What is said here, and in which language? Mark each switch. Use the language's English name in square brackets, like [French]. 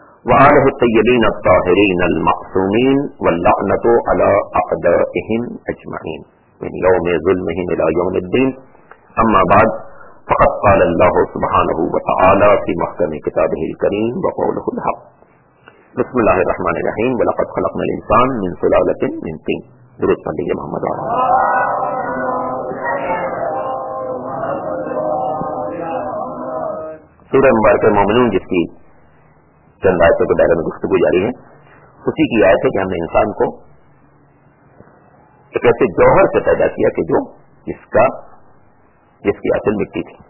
[Arabic] وآلہ الطیبین الطاہرین المعصومین واللعنت علی اعدائہم اجمعین من یوم ظلمہم الی یوم الدین. اما بعد, فقد قال اللہ سبحانہ وتعالی فی محکم کتابہ الکریم وقوله الحق. بسم اللہ الرحمن الرحیم. ولقد خلقنا الانسان من سلالۃ من طین. درود صلی اللہ محمد علیہ وسلم. [Urdu] سورہ مبارکہ مومنون جس کی چند آیتوں کے بارے میں گفتگو جاری ہے, اسی کی آیت ہے کہ ہم نے انسان کو ایک ایسے جوہر سے پیدا کیا کہ جو جس کی اصل مٹی تھی.